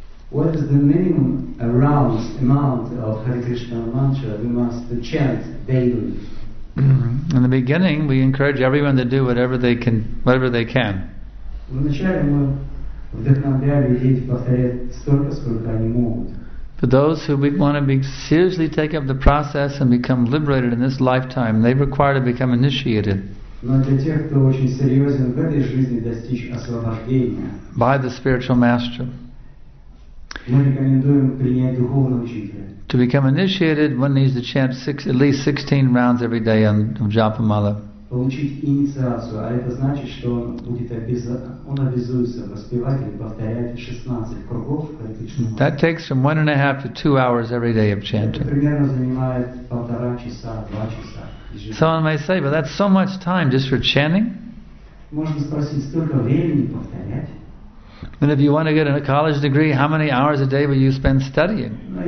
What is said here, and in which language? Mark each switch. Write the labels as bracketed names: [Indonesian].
[English] What is the minimum amount of Hare Krishna mantra we must chant daily? In the beginning, we encourage everyone to do whatever they can. [Russian] Вначале мы вдохновляли людей повторять столько, сколько они могут. [English] For those who want to be seriously take up the process and become liberated in this lifetime, they require to become initiated. [Russian] Но для тех, кто очень серьезен в этой жизни достичь освобождения. [English] By the spiritual master. [Russian] Мы рекомендуем принять духовного учителя. [English] To become initiated, one needs to chant at least 16 rounds every day of Japa Mala. [Russian] Получить инициацию, а это значит, что он обязуется воспевать или повторять 16 кругов практически. [English] That takes from 1.5 to 2 hours every day of chanting. [Russian] Примерно занимает полтора часа, два часа. [English] Someone may say, but that's so much time just for chanting. [Russian] Можно спросить, столько времени повторять? [English] And if you want to get a college degree, how many hours a day will you spend studying?